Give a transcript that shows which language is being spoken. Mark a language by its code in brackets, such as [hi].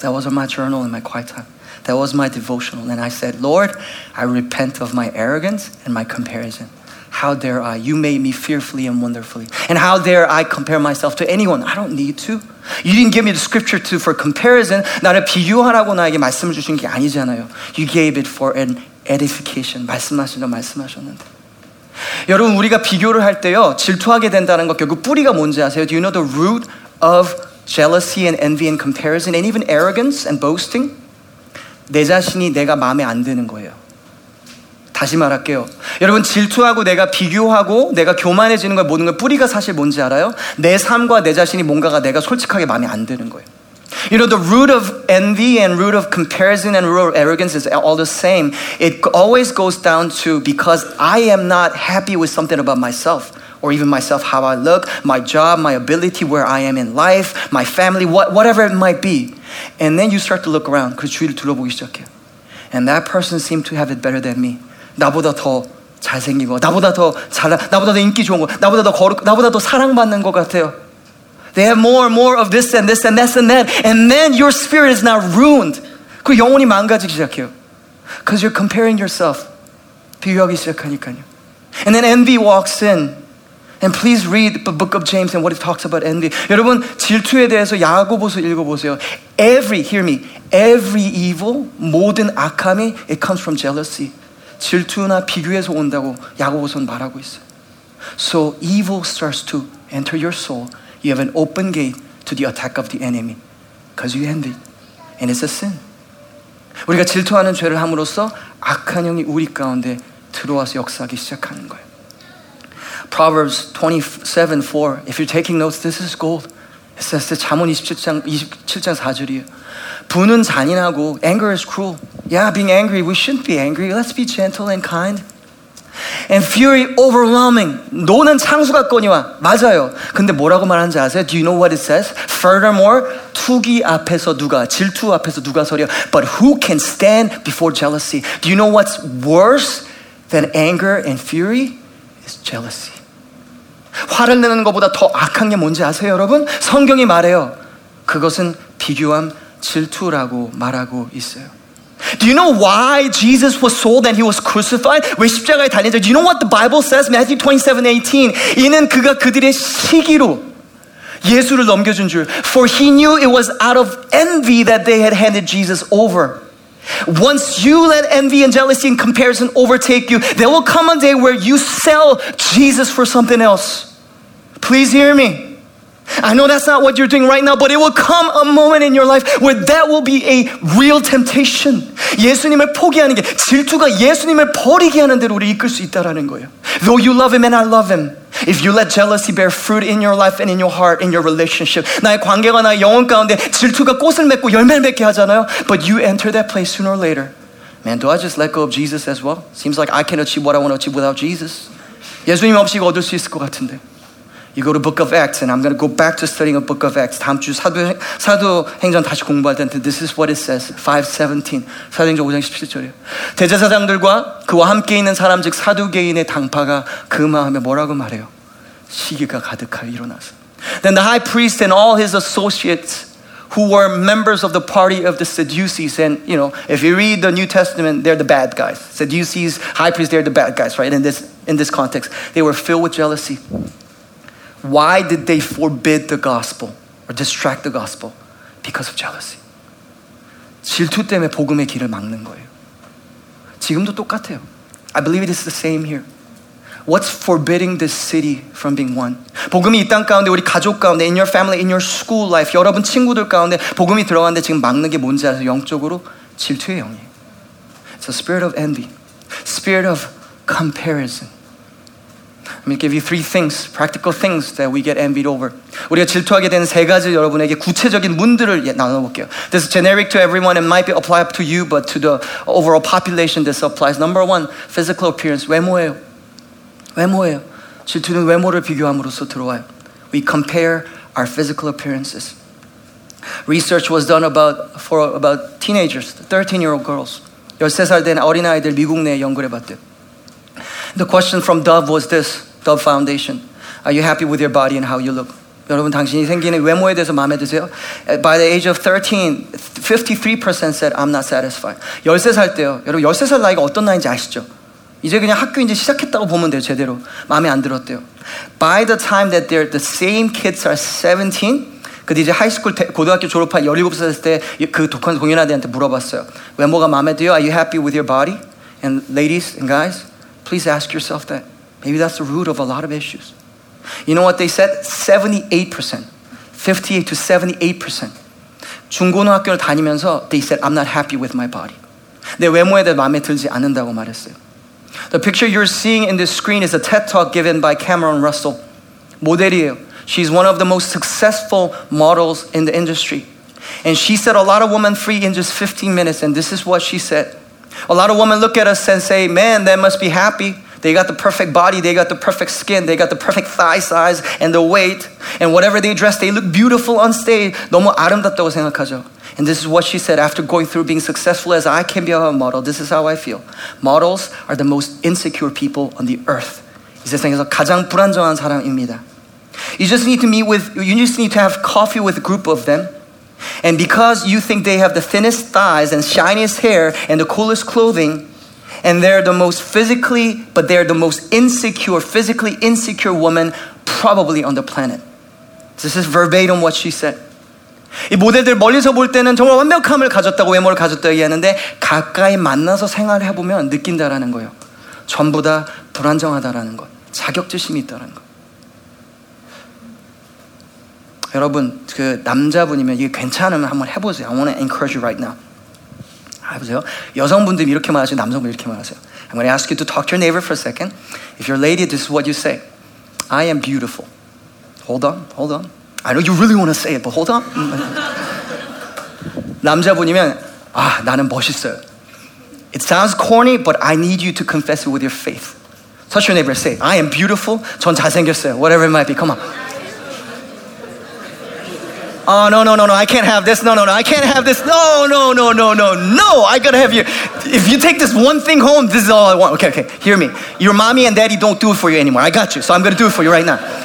[en] That was on my journal in my quiet time. That was my devotional. And I said, Lord, I repent of my arrogance and my comparison. How dare I? You made me fearfully and wonderfully. And how dare I compare myself to anyone? I don't need to. You didn't give me the scripture to for comparison. [ko] 나를 비교하라고 나에게 말씀을 주신 게 아니잖아요. [en] You gave it for an edification. [ko] 말씀하시는 말씀하셨는데. 여러분, 우리가 비교를 할 때요, 질투하게 된다는 거 결국 뿌리가 뭔지 아세요? [en] Do you know the root of jealousy and envy and comparison and even arrogance and boasting? [ko] 내 자신이 내가 마음에 안 드는 거예요. 다시 말할게요. 여러분, 질투하고 내가 비교하고 내가 교만해지는 거 모든 거 뿌리가 사실 뭔지 알아요? 내 삶과 내 자신이 뭔가가 내가 솔직하게 마음에 안 드는 거예요. [en] You know, the root of envy and root of comparison and root of arrogance is all the same. It always goes down to because I am not happy with something about myself or even myself, how I look, my job, my ability, where I am in life, my family, whatever it might be. And then you start to look around. [ko] 그래서 주위를 둘러보기 시작해요. [en] And that person seemed to have it better than me. [ko] 나보다 더 잘생긴 거, 나보다 더 잘나, 나보다 더 인기 좋은 거, 나보다 더 거룩, 나보다 더 사랑받는 것 같아요. [en] They have more and more of this and this and this and that. And then your spirit is now ruined. [ko] 그 영혼이 망가지기 시작해요. [en] Because you're comparing yourself. [ko] 비교하기 시작하니까요. [en] And then envy walks in. And please read the book of James and what it talks about envy. [ko] 여러분, 질투에 대해서 야고보서 읽어보세요. [en] Every, hear me, every evil, [ko] 모든 악함이, [en] it comes from jealousy. [ko] 질투나 비교에서 온다고 야고보서는 말하고 있어요. [en] So evil starts to enter your soul. You have an open gate to the attack of the enemy because you envy. And it's a sin. [ko] 우리가 질투하는 죄를 함으로써 악한 영이 우리 가운데 들어와서 역사하기 시작하는 거예요. [en] Proverbs 27:4. If you're taking notes, this is gold. It says, [ko] 잠언 27장 4절이에요. 분은 잔인하고, [en] anger is cruel. Yeah, being angry, we shouldn't be angry. Let's be gentle and kind. And fury overwhelming. [ko] 노는 창수 같거니와. 맞아요. 근데 뭐라고 말하는지 아세요? [en] Do you know what it says? Furthermore, [ko] 투기 앞에서 누가, 질투 앞에서 누가 서려. [en] But who can stand before jealousy? Do you know what's worse than anger and fury? It's jealousy. [ko] 화를 내는 것보다 더 악한 게 뭔지 아세요, 여러분? 성경이 말해요. 그것은 비교함, 질투라고 말하고 있어요. [en] Do you know why Jesus was sold and he was crucified? [ko] 왜 십자가에 달린지? [en] Do you know what the Bible says? Matthew 27:18. [ko] 이는 그가 그들의 시기로 예수를 넘겨준 줄. [en] For he knew it was out of envy that they had handed Jesus over. Once you let envy and jealousy and comparison overtake you, there will come a day where you sell Jesus for something else. Please hear me. I know that's not what you're doing right now, but it will come a moment in your life where that will be a real temptation. [ko] 예수님을 포기하는 게 질투가 예수님을 버리게 하는 대로 우리 이끌 수 있다라는 거예요. [en] Though you love him and I love him, if you let jealousy bear fruit in your life and in your heart, in your relationship, [ko] 나의 관계가 나의 영혼 가운데 질투가 꽃을 맺고 열매를 맺게 하잖아요. [en] But you enter that place sooner or later. Man, do I just let go of Jesus as well? Seems like I can achieve what I want to achieve without Jesus. [ko] 예수님 없이 이거 얻을 수 있을 것 같은데. [en] You go to Book of Acts, and I'm going to go back to studying a Book of Acts. [ko] 다음 주 사도행전 다시 공부할 텐데, [en] this is what it says, 5:17. [ko] 사도행전 5장 17절이에요. 대제사장들과 그와 함께 있는 사람, 즉 사두개인의 당파가 그 마음에 뭐라고 말해요? 시기가 가득하여 일어나서. [en] Then the high priest and all his associates who were members of the party of the Sadducees, and, you know, if you read the New Testament, they're the bad guys. Sadducees, high priest, they're the bad guys, right? In this context, they were filled with jealousy. Why did they forbid the gospel or distract the gospel? Because of jealousy. [ko] 질투 때문에 복음의 길을 막는 거예요. 지금도 똑같아요. [en] I believe it is the same here. What's forbidding this city from being one? [ko] 복음이 이 땅 가운데, 우리 가족 가운데, [en] in your family, in your school life, [ko] 여러분 친구들 가운데 복음이 들어왔는데 지금 막는 게 뭔지 아세요? 영적으로 질투의 영이에요. [en] It's a spirit of envy, spirit of comparison. Let me give you three things, practical things that we get envied over. [ko] 우리가 질투하게 되는 세 가지 여러분에게 구체적인 문들을 나눠볼게요. [en] This is generic to everyone. It might be applied to you, but to the overall population, this applies. Number one, physical appearance. [ko] 외모예요. 외모예요. 질투는 외모를 비교함으로써 들어와요. [en] We compare our physical appearances. Research was done about teenagers, 13-year-old girls. [ko] 13살 된 어린아이들 미국 내에 연구를 해봤대요. [en] The question from Dove was this, Dove Foundation. Are you happy with your body and how you look? [ko] 여러분 당신이 생기는 외모에 대해서 마음에 드세요? [en] By the age of 13, 53% said, I'm not satisfied. [ko] 13살 때요. 여러분 13살 나이가 어떤 나이인지 아시죠? 이제 그냥 학교 이제 시작했다고 보면 돼요, 제대로. 마음에 안 들었대요. [en] By the time that they're the same kids are 17, [ko] 그 이제 하이스쿨, 고등학교 졸업한 17살 때 그 동현아들한테 물어봤어요. 외모가 마음에 드요? [en] Are you happy with your body? And ladies and guys, please ask yourself that. Maybe that's the root of a lot of issues. You know what they said? 78%. 58 to 78%. [ko] 중고등학교를 다니면서 [en] they said, I'm not happy with my body. [ko] 내 외모에 대해 마음에 들지 않는다고 말했어요. [en] The picture you're seeing in this screen is a TED talk given by Cameron Russell. [ko] 모델이에요. [en] She's one of the most successful models in the industry. And she set a lot of women free in just 15 minutes. And this is what she said. A lot of women look at us and say, man, they must be happy. They got the perfect body. They got the perfect skin. They got the perfect thigh size and the weight. And whatever they dress, they look beautiful on stage. [ko] 너무 아름답다고 생각하죠. [en] And this is what she said after going through being successful as I can be a model. This is how I feel. Models are the most insecure people on the earth. [ko] 이 세상에서 가장 불안정한 사람입니다. [en] You just need to have coffee with a group of them. And because you think they have the thinnest thighs and shiniest hair and the coolest clothing, and they're the most physically, but they're the most insecure, physically insecure woman probably on the planet. This is verbatim what she said. [ko] 이 모델들 멀리서 볼 때는 정말 완벽함을 가졌다고 외모를 가졌다고 얘기하는데 가까이 만나서 생활을 해보면 느낀다라는 거예요. 전부 다 불안정하다라는 것, 자격지심이 있다라는 것. 여러분, 그 남자분이면 이게 괜찮으면 한번 해보세요. [en] I want to encourage you right now. [ko] 해보세요. 여성분들이 이렇게 말하세요. 남성분 이렇게 말하세요. [en] I'm going to ask you to talk to your neighbor for a second. If you're a lady, this is what you say. I am beautiful. Hold on, hold on. I know you really want to say it, but hold on. [ko] 남자분이면 아, 나는 멋있어요. [en] It sounds corny, but I need you to confess it with your faith. Touch your neighbor, say, I am beautiful. [ko] 전 잘생겼어요. [en] Whatever it might be, come on. Oh, no, no, no, no, I can't have this. No, no, no, I can't have this. No, no, no, no, no, no, I gotta have you. If you take this one thing home, this is all I want. Okay, okay, hear me. Your mommy and daddy don't do it for you anymore. I got you, so I'm gonna do it for you right now.